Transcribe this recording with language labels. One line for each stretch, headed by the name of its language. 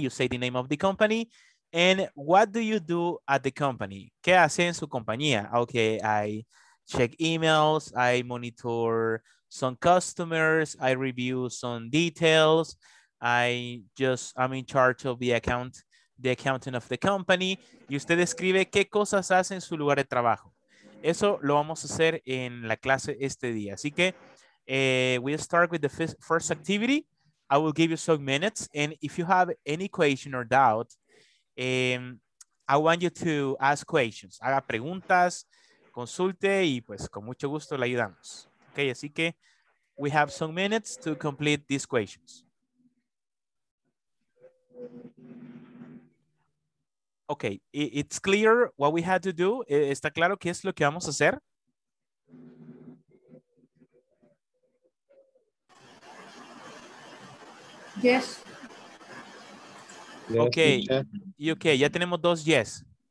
English: You say the name of the company. And what do you do at the company?
Spanish: ¿Qué hace en su compañía?
English: Okay, I check emails, I monitor some customers, I review some details, I'm in charge of the accounting of the company.
Spanish: Y usted escribe qué cosas hace en su lugar de trabajo. Eso lo vamos a hacer en la clase este día. Así que
English: we'll start with the first activity. I will give you some minutes, and if you have any question or doubt, I want you to ask questions.
Spanish: Haga preguntas, consulte, y pues con mucho gusto le ayudamos.
English: Okay,
Spanish: así que
English: we have some minutes to complete these questions. Okay, it's clear what we had to do.
Spanish: ¿Está claro qué es lo que vamos a hacer?
English: Yes. Yes, okay, teacher. Okay,
Spanish: ya tenemos dos
English: yes.